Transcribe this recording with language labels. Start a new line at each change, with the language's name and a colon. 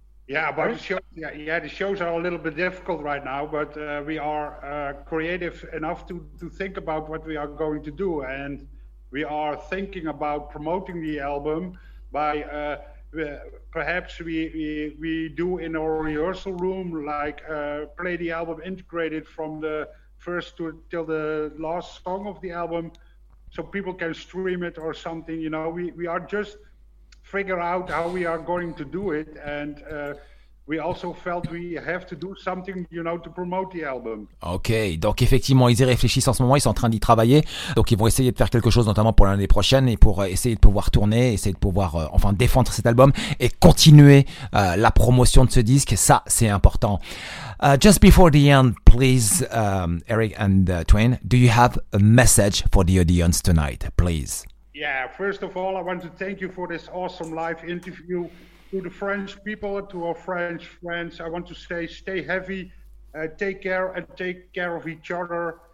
English: Yeah, but the shows are a little bit difficult right now, but we are creative enough to think about what we are going to do, and we are thinking about promoting the album by perhaps we do in our rehearsal room, like play the album integrated from the first to till the last song of the album, so people can stream it or something, you know. We are just figure out how we are going to do it, and we also felt we have to do something, you know, to promote the album.
French: Ok, donc effectivement, ils y réfléchissent en ce moment, ils sont en train d'y travailler. Donc ils vont essayer de faire quelque chose, notamment pour l'année prochaine, et pour essayer de pouvoir tourner, essayer de pouvoir, enfin, défendre cet album et continuer la promotion de ce disque. Ça, c'est important.
English: Just before the end, please, Eric and Twain, do you have a message for the audience tonight, please? Yeah, first of all, I want to thank you for this awesome live interview. To the French people, to our French friends, I want to say stay heavy, take care, and take care of each other.